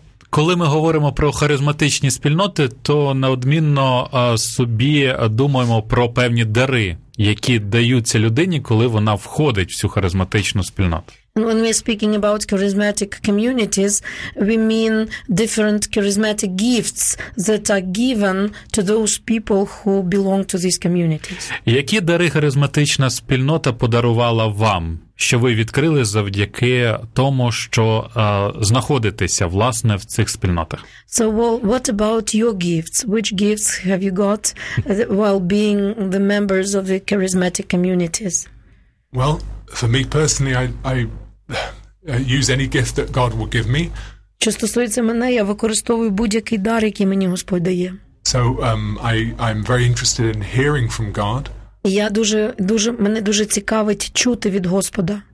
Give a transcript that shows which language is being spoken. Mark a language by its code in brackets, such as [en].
[uk] Коли ми говоримо про харизматичні спільноти, то неодмінно собі думаємо про певні дари, які даються людині, коли вона входить в цю харизматичну спільноту. [en] When we're speaking about charismatic communities, we mean different charismatic gifts that are given to those people who belong to these communities. [uk] Які дари харизматична спільнота подарувала вам, що ви відкрили завдяки тому, що знаходитеся, власне, в цих спільнотах? [en] So, well, what about your gifts? Which gifts have you got while being the members of the charismatic communities? Well, for me personally, I use any gift that God will give me. [uk] Що стосується мене, я використовую будь-який дар, який мені Господь дає. [en] So, I'm very interested in hearing from God. [uk] Я дуже мене дуже цікавить чути від Господа.